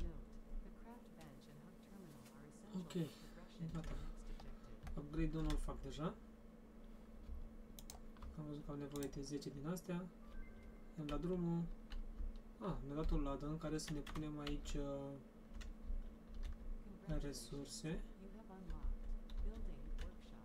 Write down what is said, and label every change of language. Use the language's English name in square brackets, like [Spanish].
[English] Note, the craft bench and hub terminal are essential for okay. progression to the next objective. [Romanian] Upgrade 1 îl fac deja. Am văzut că am nevoie de 10 din astea. I-am dat drumul. Ah, ne-a dat o ladă în care să ne punem aici resurse. [English] You have unlocked building work